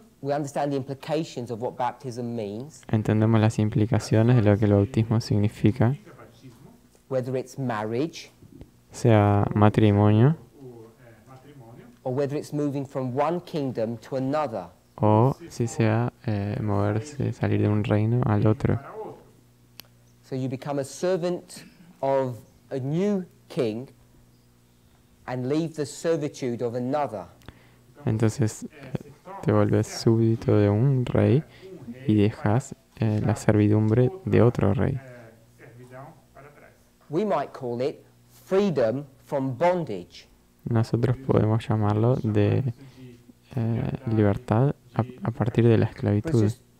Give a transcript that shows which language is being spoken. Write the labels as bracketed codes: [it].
[en] We understand the implications of what baptism means. [es] Entendemos las implicaciones de lo que el bautismo significa. [en] Whether it's marriage, [es] sea matrimonio, [en] or whether it's moving from one kingdom to another. [es] O si sea moverse, salir de un reino al otro. [en] So you become a servant of a new king and leave the servitude of another. [es] Entonces te volvés súbdito de un rey y dejas la servidumbre de otro rey. [en] We might call it freedom from bondage. [es] Nosotros podemos llamarlo de libertad a partir de la esclavitud.